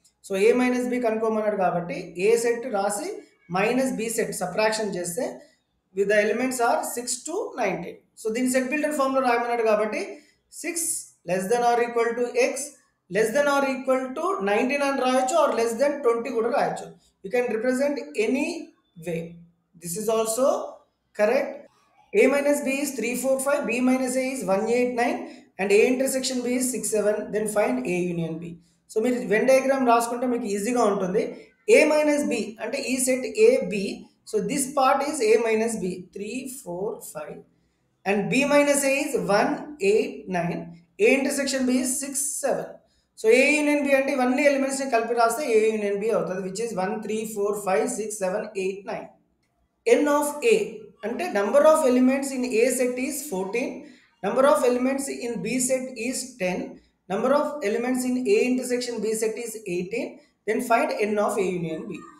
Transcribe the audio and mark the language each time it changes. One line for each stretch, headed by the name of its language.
Telugu: So ఏ minus B కనుక్కోమన్నాడు కాబట్టి ఏ set రాసి minus B set సప్రాక్షన్ చేస్తే
English: With the elements are 6 to 19.
Telugu: So దీని set builder ఫామ్లో రాయమన్నాడు కాబట్టి 6 less than are equal to X less than are equal to 19 అని రాయొచ్చు, are less than 20 కూడా రాయొచ్చు.
English: You can represent any way, this is also correct. A minus B is 3, 4, 5, B minus A is 1, 8, 9, and A intersection B is 6, 7, then find A union B.
Telugu: So, మీరు Venn diagram రాసుకుంటే మీకు ఈజీగా ఉంటుంది. A minus B అంటే ఈ set A, B.
English: So, this part is A minus B, 3, 4, 5, and B minus A is 1, 8, 9, A intersection B is 6, 7. So, A union B
Telugu: అంటే ఇవన్నీ ఎలిమెంట్స్ని కలిపి రాస్తే A union B అవుతుంది,
English: which is 1, 3, 4, 5, 6, 7, 8, 9. N of A అంటే number of elements in A set is 14, number of elements in B set is 10, number of elements in A intersection B set is 18, then find N of A union B.